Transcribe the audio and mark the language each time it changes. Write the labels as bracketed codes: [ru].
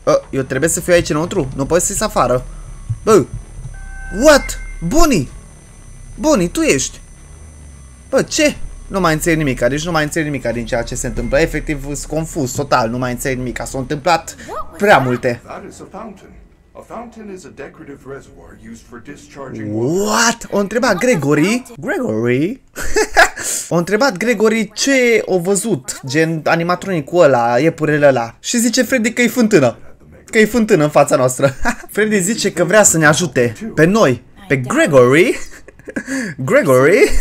[ro] Eu trebuie să fiu aici înăuntru? Nu poți să ies afară. Bă! [en] What? [ro] Bonnie, tu ești? Bă, ce? Nu mai înțeleg nimica din ceea ce se întâmplă. Efectiv, sunt confuz total. Nu mai înțeleg nimica. S-a întâmplat prea multe. [en] A fountain is a decorative reservoir used for discharging water. What? [ro] O întrebat Gregory? Gregory? O întrebat Gregory ce o văzut, gen animatronicul ăla, iepurele ăla. Și zice Freddy că e fântână. că e fântână în fața noastră. Freddy zice că vrea să ne ajute. Pe noi. Pe Gregory. Gregory.